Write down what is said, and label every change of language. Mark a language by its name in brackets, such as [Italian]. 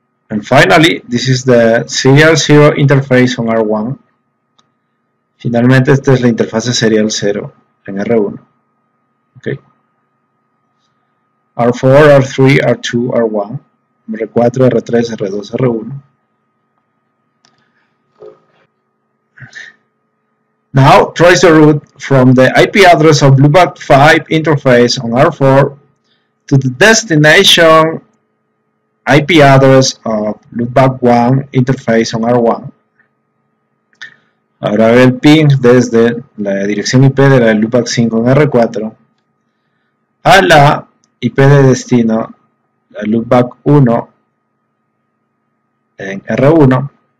[English] And finally, this is the serial 0 interface on R1. [Spanish] Finalmente, esta es la interfase serial 0 en R1. [English] Okay. R4, R3, R2, R1. [Spanish] R4, R3, R2, R1. [English] Now, trace the route from the IP address of Blueback 5 interface on R4 to the destination IP address of Blueback 1 interface on R1. [Spanish] Ahora ve el ping desde la dirección IP de la Loopback 5 en R4 a la IP de destino, la Loopback 1 en R1.